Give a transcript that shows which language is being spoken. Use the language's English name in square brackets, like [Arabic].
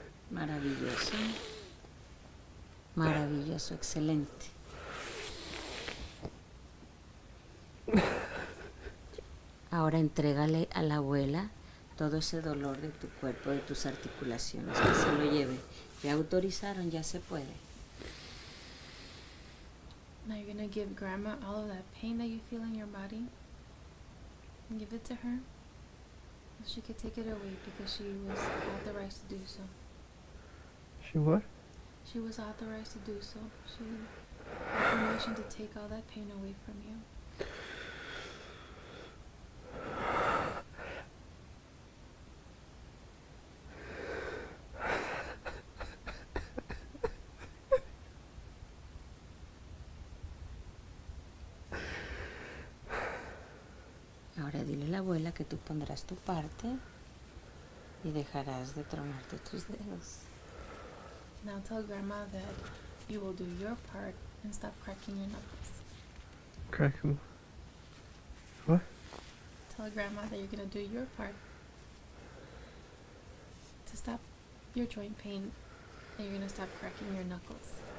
[Spanish] Maravilloso. Maravilloso, excelente. Ahora entrégale a la abuela todo ese dolor de tu cuerpo, de tus articulaciones, que se lo lleve. Ya autorizaron, ya se puede. [English] Now you're gonna give grandma all of that pain that you feel in your body. And give it to her. She could take it away because she was authorized to do so. She what? She was authorized to do so. She had permission to take all that pain away from you. [Spanish] Ahora dile a la abuela que tú pondrás tu parte y dejarás de tronarte tus dedos. [English] Now tell grandma that you will do your part and stop cracking your knuckles. Crack them. What? Tell grandma that you're gonna do your part to stop your joint pain and you're gonna stop cracking your knuckles.